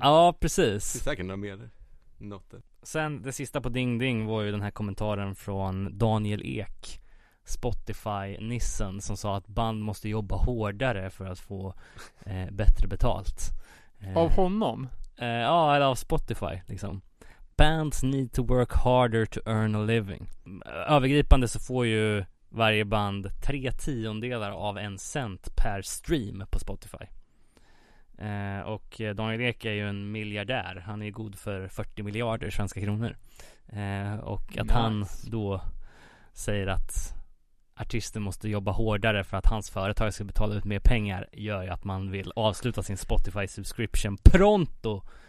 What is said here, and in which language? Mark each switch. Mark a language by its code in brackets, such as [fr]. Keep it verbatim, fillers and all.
[sv] Ja, precis. Det är säkert några mer där. Noten. Sen det sista på Ding Ding var ju den här kommentaren från Daniel Ek, Spotify-nissen, som sa att band måste jobba hårdare för att få eh, bättre betalt. Eh, av honom? Eh, ja, eller av Spotify liksom. [en] Bands need to work harder to earn a living. [sv] Övergripande så får ju varje band tre tiondelar av en cent per stream på Spotify. Eh, och Daniel Ek är ju en miljardär. Han är god för fyrtio miljarder svenska kronor. Eh, och att nice. Han då säger att artister måste jobba hårdare för att hans företag ska betala ut mer pengar, gör ju att man vill avsluta sin Spotify-subscription pronto.